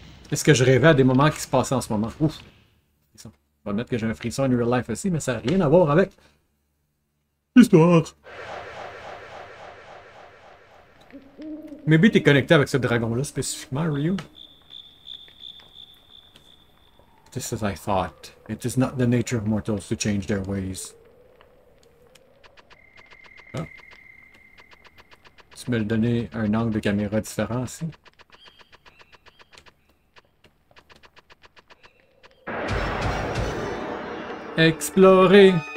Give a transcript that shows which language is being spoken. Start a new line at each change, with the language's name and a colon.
French: Est-ce que je rêvais à des moments qui se passaient en ce moment? Ouf! Je vais admettre que j'ai un frisson
English: in real life
French: aussi, mais ça n'a rien à voir avec l'histoire. Maybe t'es connecté avec ce dragon-là spécifiquement, Ryu.
English: Just as I thought, it is not the nature of mortals to change their ways. Oh.
French: Tu me le donnais un angle de caméra différent aussi. Explorer.